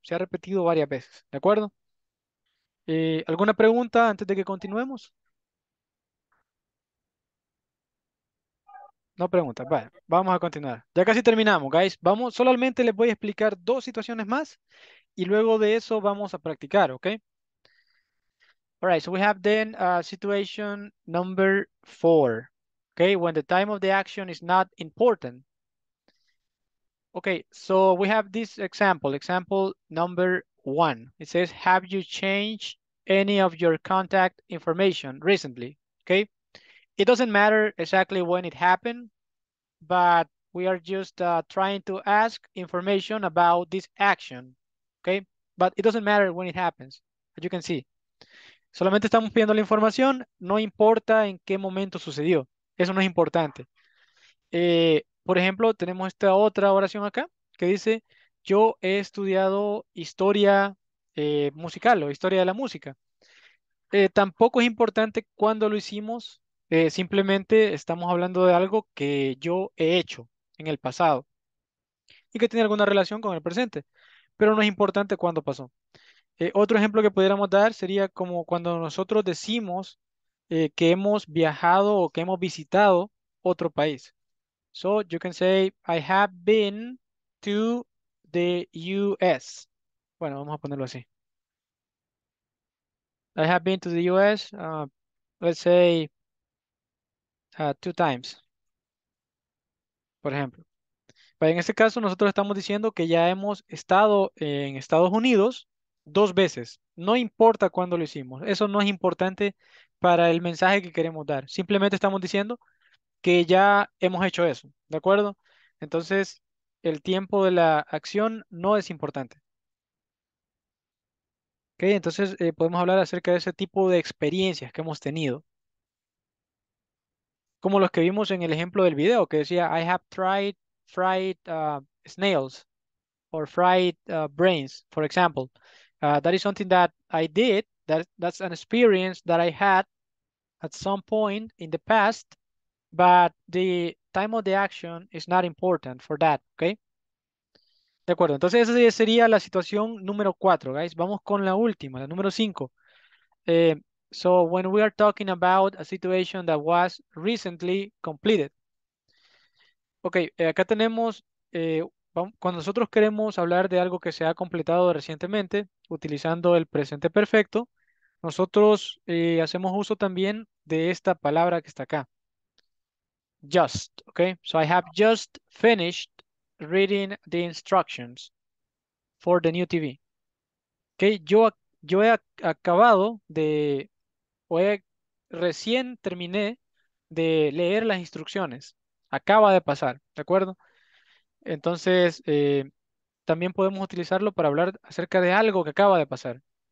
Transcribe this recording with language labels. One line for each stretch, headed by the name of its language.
Spanish: Se ha repetido varias veces, ¿de acuerdo? ¿Alguna pregunta antes de que continuemos? No preguntas. Vale, vamos a continuar. Ya casi terminamos, guys. Vamos, solamente les voy a explicar dos situaciones más y luego de eso vamos a practicar, ¿ok?
English: All right, so we have then situation number four, okay? When the time of the action is not important. Okay, so we have this example. Example number one. It says, have you changed any of your contact information recently? Okay. It doesn't matter exactly when it happened, but we are just trying to ask information about this action, okay? But it doesn't matter when it happens, as you can see.
Spanish: Solamente estamos pidiendo la información, no importa en qué momento sucedió. Eso no es importante. Por ejemplo, tenemos esta otra oración acá que dice, yo he estudiado historia musical o historia de la música. Tampoco es importante cuándo lo hicimos, simplemente estamos hablando de algo que yo he hecho en el pasado y que tiene alguna relación con el presente, pero no es importante cuándo pasó. Otro ejemplo que pudiéramos dar sería como cuando nosotros decimos que hemos viajado o que hemos visitado otro país.
English: So you can say, I have been to the US.
Spanish: Bueno, vamos a ponerlo así.
English: I have been to the US, let's say, two times.
Spanish: Por ejemplo. Pero en este caso, nosotros estamos diciendo que ya hemos estado en Estados Unidos dos veces. No importa cuándo lo hicimos. Eso no es importante para el mensaje que queremos dar. Simplemente estamos diciendo que ya hemos hecho eso. ¿De acuerdo? Entonces, el tiempo de la acción no es importante. Okay, entonces podemos hablar acerca de ese tipo de experiencias que hemos tenido. Como los que vimos en el ejemplo del video, que decía,
English: I have tried fried snails or fried brains, for example. That is something that I did. That's an experience that I had at some point in the past, but the time of the action is not important for that, okay?
Spanish: De acuerdo, entonces esa sería la situación número 4, guys. Vamos con la última, la número 5.
English: So, when we are talking about a situation that was recently completed.
Spanish: Ok, acá tenemos, cuando nosotros queremos hablar de algo que se ha completado recientemente, utilizando el presente perfecto, nosotros hacemos uso también de esta palabra que está acá.
English: Just, okay. So I have just finished reading the instructions for the new TV.
Spanish: Okay, yo he acabado de o he recién terminé de leer las instrucciones. Acaba de pasar, ¿de acuerdo? Entonces, también podemos utilizarlo para hablar acerca de algo que acaba de pasar.